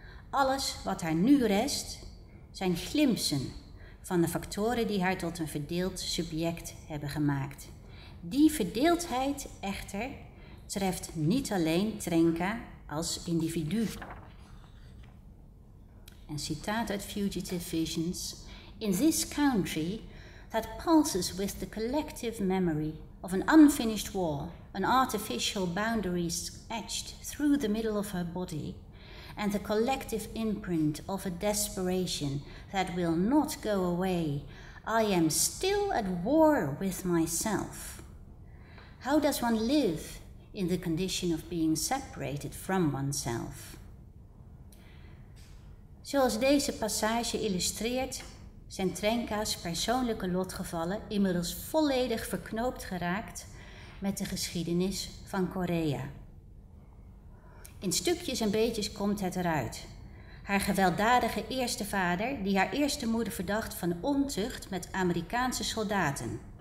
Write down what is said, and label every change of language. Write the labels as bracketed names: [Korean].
[Dutch] Alles wat haar nu rest, zijn glimpsen van de factoren die haar tot een verdeeld subject hebben gemaakt. Die verdeeldheid echter treft niet alleen Trenka als individu. Een citaat uit Fugitive Visions: [English] "In this country that pulses with the collective memory of an unfinished war, an artificial boundary etched through the middle of her body, and the collective imprint of a desperation that will not go away, I am still at war with myself. How does one live in the condition of being separated from oneself?" [Dutch] Zoals deze passage illustreert, zijn Trenka's persoonlijke lotgevallen inmiddels volledig verknoopt geraakt met de geschiedenis van Korea. In stukjes en beetjes komt het eruit. Haar gewelddadige eerste vader, die haar eerste moeder verdacht van ontucht met Amerikaanse soldaten.